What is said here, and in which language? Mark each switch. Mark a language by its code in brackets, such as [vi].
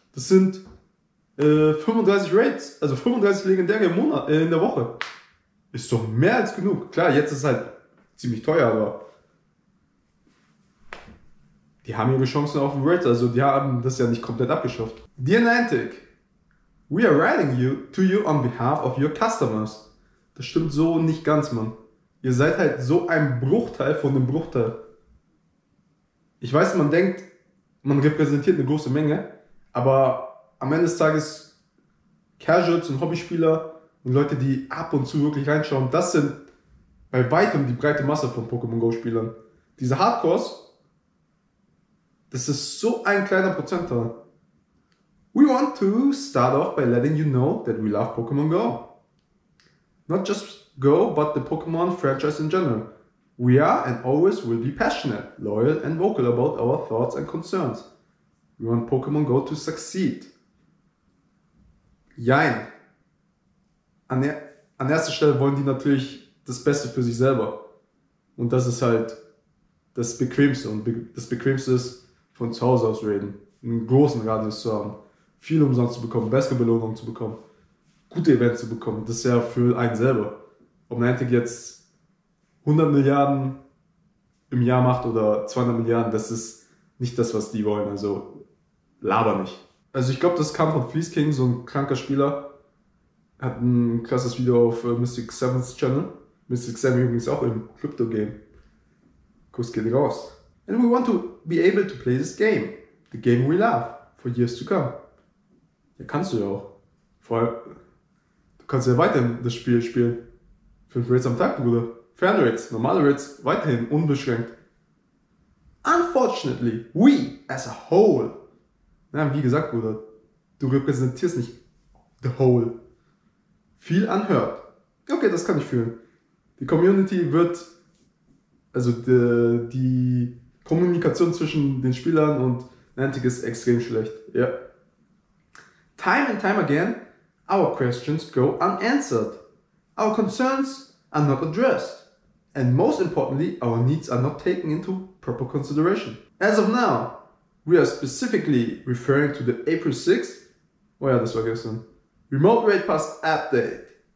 [de] Das sind 35 Raids, also 35 Legendäre im Monat, in der Woche. Ist doch mehr als genug. Klar, jetzt ist es halt ziemlich teuer, aber die haben ihre Chancen auf den Raids, also die haben das ja nicht komplett abgeschafft. [en] Dear Niantic, we are writing you to you on behalf of your customers. [de] Das stimmt so nicht ganz, Mann. Ihr seid halt so ein Bruchteil von dem Bruchteil. Ich weiß, man denkt, man repräsentiert eine große Menge, aber am Ende des Tages, Casuals und Hobbyspieler und Leute, die ab und zu wirklich reinschauen, das sind bei weitem die breite Masse von Pokémon Go-Spielern. Diese Hardcores, das ist so ein kleiner Prozentteil. [en] We want to start off by letting you know that we love Pokemon Go. Not just Go, but the Pokemon franchise in general. We are and always will be passionate, loyal and vocal about our thoughts and concerns. We want Pokemon Go to succeed. [de] Jein. An erster Stelle wollen die natürlich das Beste für sich selber. Und das ist halt das Bequemste. Und das Bequemste ist, von zu Hause aus reden. Einen großen Radius zu haben. Viel Umsatz zu bekommen, bessere Belohnung zu bekommen. Gute Events zu bekommen. Das ist ja für einen selber. Ob Niantic jetzt 100 Milliarden im Jahr macht oder 200 Milliarden, das ist nicht das, was die wollen. Also laber nicht. Also ich glaube, das kam von Fleece King, so ein kranker Spieler. Hat ein krasses Video auf Mystic Seven's Channel. Mystic Seven übrigens auch im Crypto-Game. Kuss geht raus. [en] And we want to be able to play this game. The game we love. For years to come. [de] Ja, kannst du ja auch. Vor allem, du kannst ja weiterhin das Spiel spielen. 5 Raids am Tag, Bruder. Fan-Raids, normale Raids, weiterhin unbeschränkt. [en] Unfortunately, we as a whole. [de] Na, wie gesagt, Bruder, du repräsentierst nicht [en] the whole. [de] Viel unheard. Okay, das kann ich fühlen. Die Community wird, also die Kommunikation zwischen den Spielern und Niantic ist extrem schlecht. Ja. [en] Time and time again, our questions go unanswered. Our concerns are not addressed. And most importantly, our needs are not taken into proper consideration. As of now, we are specifically referring to the April 6th, [de] oh ja, das war gestern, [en] Remote Raid Pass Update.